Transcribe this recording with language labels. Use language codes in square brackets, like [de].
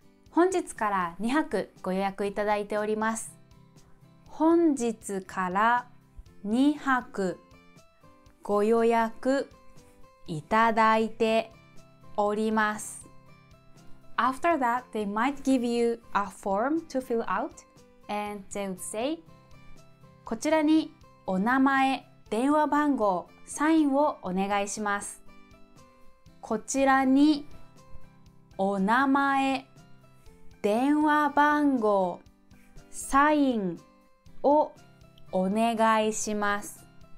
[ja] 本日から2泊ご予約いただいております。本日から2泊ご予約いただいております。 [en] After that, they might give you a form to fill out, and they would say, [ja] こちらにお名前、電話番号、サインをお願いします。こちらにお名前、電話番号、サインをお願いします。